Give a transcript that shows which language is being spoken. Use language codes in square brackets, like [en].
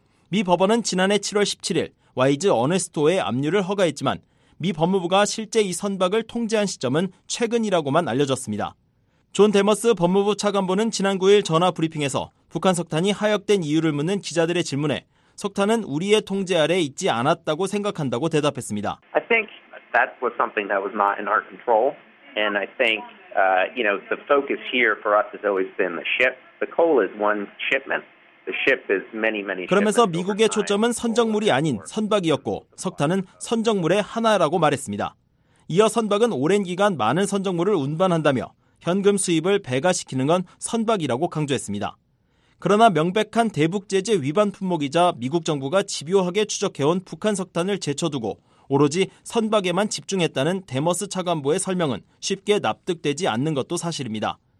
[ko] 미 법원은 지난해 7월 17일 와이즈 어네스트호의 압류를 허가했지만 미 법무부가 실제 이 선박을 통제한 시점은 최근이라고만 알려졌습니다. 존 데머스 법무부 차관보는 지난 9일 전화 브리핑에서 북한 석탄이 하역된 이유를 묻는 기자들의 질문에 석탄은 우리의 통제 아래 있지 않았다고 생각한다고 대답했습니다. [en] I think that was something that was not in our control. And I think, you know, the focus here for us has always been the ship. The coal is one shipment. The ship is many, many. [ko] 그러면서 미국의 초점은 선적물이 아닌 선박이었고 석탄은 선적물의 하나라고 말했습니다. 이어 선박은 오랜 기간 많은 선적물을 운반한다며 현금 수입을 배가시키는 건 선박이라고 강조했습니다. 그러나 명백한 대북 제재 위반 품목이자 미국 정부가 집요하게 추적해온 북한 석탄을 제쳐두고 오로지 선박에만 집중했다는 데머스 차관보의 설명은 쉽게 납득되지 않는 것도 사실입니다.